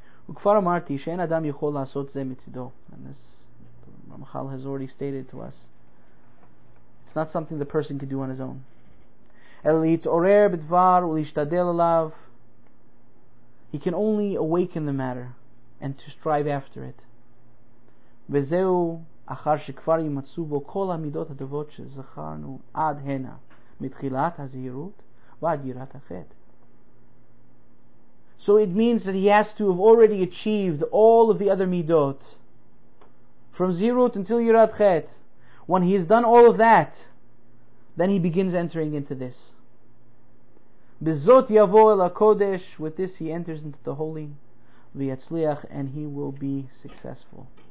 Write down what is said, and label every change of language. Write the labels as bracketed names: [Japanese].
[Hebrew] וכבר אמרתי שאין אדם יכול לעשות זה מצידו. [English] And this Ramchal has already stated to us, it's not something the person can do on his own. [Hebrew] אלא להתעורר בדבר ולהשתדל עליו. [English] He can only awaken the matter and to strive after it. [Hebrew] וזהו אחר שכבר ימצאו בו כל המידות הטובות שזכרנו עד הנה, מתחילת הזהירות ועד יראת החטא. [English] So it means that he has to have already achieved all of the other midot from Zirut until Yirat Chet. When he has done all of that, then he begins entering into this. Bezot yavo el hakodesh, with this he enters into the holy, v'yatzliach, and he will be successful.